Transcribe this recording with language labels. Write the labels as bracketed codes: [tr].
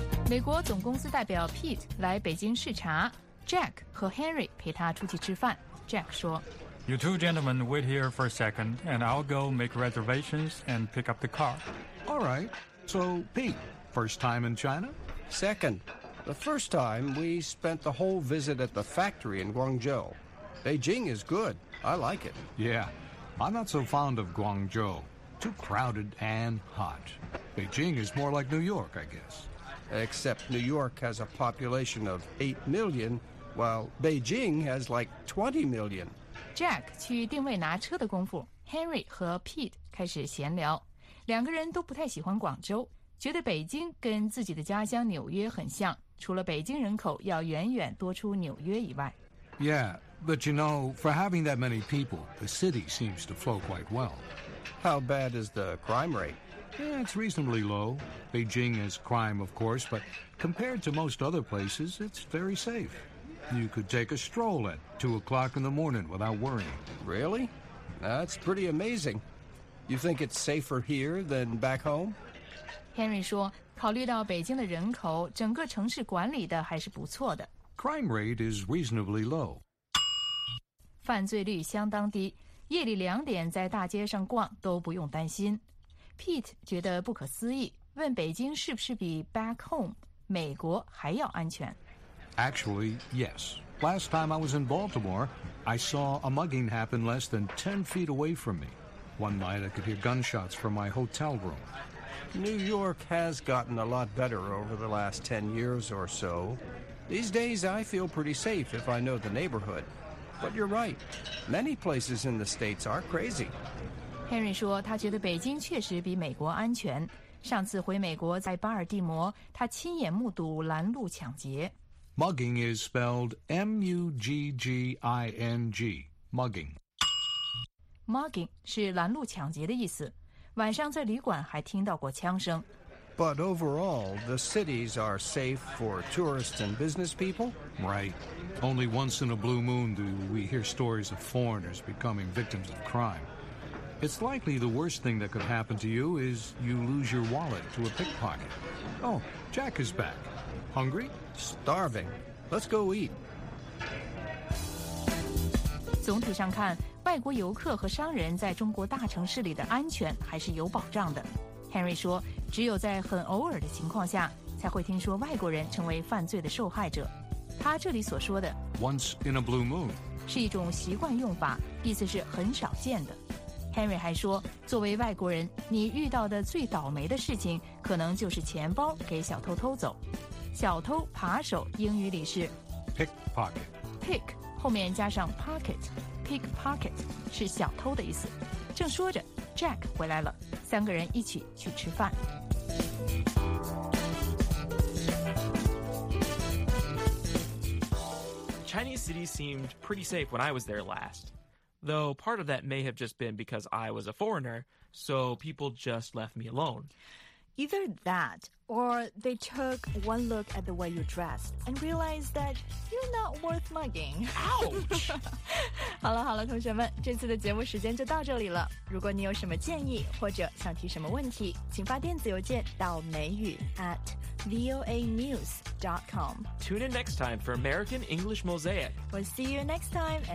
[zh] 美国总公司代表 Pete 来北京视察， Jack 和 Henry 陪他出去吃饭。 Jack 说， [en] You two gentlemen wait here for a second, and I'll go make reservations and pick up the car. All right. So, Pete, first time in China? Second. The first time, we spent the whole visit at the factory in Guangzhou. Beijing is good. I like it. Yeah, I'm not so fond of Guangzhou. Too crowded and hot. Beijing is more like New York, I guess. Except New York has a population of 8 million, while Beijing has like 20 million. [zh] Jack 去定位拿车的功夫， Henry 和 Pete 开始闲聊。两个人都不太喜欢广州。觉得北京跟自己的家乡纽约很像，除了北京人口要远远多出纽约以外。 [en] Yeah, but you know, for having that many people, the city seems to flow quite well. How bad is the crime rate? Yeah, it's reasonably low. Beijing is crime, of course, but compared to most other places, it's very safe. You could take a stroll at 2 o'clock in the morning without worrying. Really? That's pretty amazing. You think it's safer here than back home? [zh] Henry 说，考虑到北京的人口，整个城市管理的还是不错的。 [en] Crime rate is reasonably low. [zh] 犯罪率相当低，夜里两点在大街上逛都不用担心。 Pete 觉得不可思议，问北京是不是比 [en] back home [zh] 美国还要安全。 [en] Actually, yes. Last time I was in Baltimore, I saw a mugging happen less than 10 feet away from me. One night I could hear gunshots from my hotel room. New York has gotten a lot better over the last 10 years or so. These days, I feel pretty safe if I know the neighborhood. But you're right. Many places in the States are crazy. [zh] Henry 说他觉得北京确实比美国安全。上次回美国在巴尔的摩，他亲眼目睹拦路抢劫。 [en] Mugging is spelled M-U-G-G-I-N-G. Mugging. [zh] Mugging 是拦路抢劫的意思。晚上在旅馆还听到过枪声。 [en] But overall, the cities are safe for tourists and business people? Right. Only once in a blue moon do we hear stories of foreigners becoming victims of crime. It's likely the worst thing that could happen to you is you lose your wallet to a pickpocket. Oh, Jack is back. Hungry? Starving. Let's go eat. [zh] 总体上看外国游客和商人在中国大城市里的安全还是有保障的。 Henry 说，只有在很偶尔的情况下，才会听说外国人成为犯罪的受害者。他这里所说的 [en] "once in a blue moon" [zh] 是一种习惯用法，意思是很少见的。Henry 还说，作为外国人，你遇到的最倒霉的事情，可能就是钱包给小偷偷走。小偷、扒手，英语里是 [en] pickpocket。 [zh] pick 后面加上 pocket。 Pickpocket 是小偷的意思。正说着 ，Jack 回来了，三个人一起去吃饭。 [en] Chinese city seemed pretty safe when I was there last, though part of that may have just been because I was a foreigner, so people just left me alone. Either that, or they took one look at the way you dressed and realized that you're not worth mugging. Ouch! [zh] 好了好了，同学们，这次的节目时间就到这里了。如果你有什么建议或者想提什么问题，请发电子邮件到美语 @voanews.com. [en] Tune in next time for American English Mosaic. We'll see you next time and、